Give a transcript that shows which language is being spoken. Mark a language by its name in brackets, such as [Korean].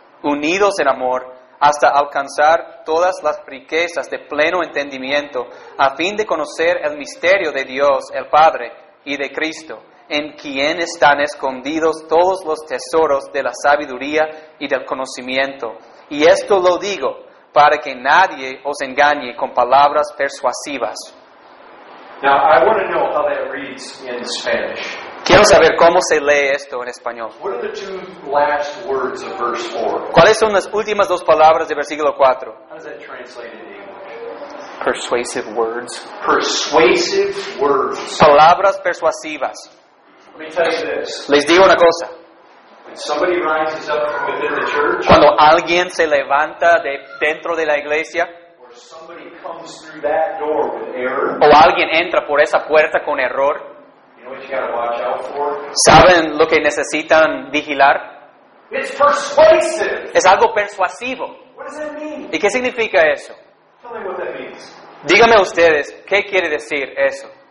[Spanish] unidos en amor, hasta alcanzar todas las riquezas de pleno entendimiento, a fin de conocer el misterio de Dios, el Padre, y de Cristo, en quien están escondidos todos los tesoros de la sabiduría y del conocimiento. Y esto lo digo para que nadie os engañe con palabras persuasivas. [English] Now, I want to know how that reads in Spanish. [Spanish] Quiero saber cómo se lee esto en español. [English] What are the two last words of verse 4? [Spanish] ¿Cuáles son las últimas dos palabras del versículo 4? [English] How does that translate in English? Persuasive words. Persuasive words. [Spanish] Palabras persuasivas. [English] Let me tell you this. [Spanish] Les digo una cosa. [English] When somebody rises up from within the church, [Spanish] cuando alguien se levanta de dentro de la iglesia, [English] or somebody comes through that door with error, [Spanish] o alguien entra por esa puerta con error, [English] you gotta watch out for? [Spanish] ¿Saben lo que necesitan vigilar? [English] It's persuasive. [Spanish] Es algo persuasivo. [English] What does that mean? [Spanish] ¿Y qué significa eso? [English] Tell me what that means. [Spanish] Díganme ustedes, ¿qué quiere decir eso?